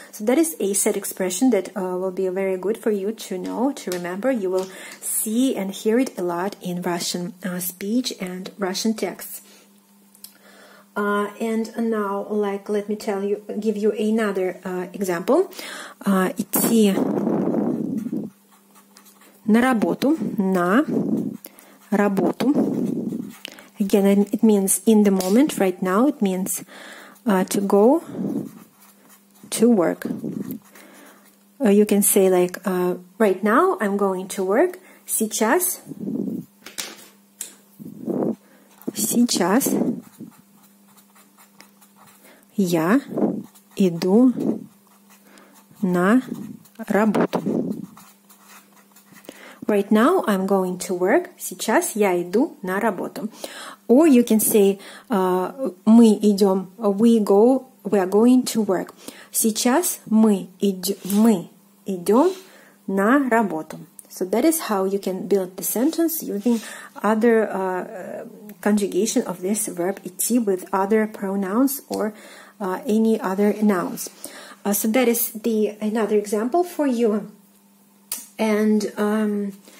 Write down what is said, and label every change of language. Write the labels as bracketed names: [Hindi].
[English] So that is a set expression that will be very good for you to know, to remember. You will see and hear it a lot in Russian speech and Russian texts. And now, like, let me tell you, give you another example. [Russian] Идти на работу, на работу. [English] Again, it means in the moment, right now. It means to go to work. You can say like, right now I'm going to work. [Russian] Сейчас я иду на работу. [English] Right now I'm going to work. [Russian] Сейчас я иду на работу. [English] Or you can say [Russian] мы идём, [English] we are going to work. [Russian] Сейчас мы идём на работу. [English] So that is how you can build the sentence using other conjugation of this verb идти with other pronouns or any other nouns. So that is another example for you. And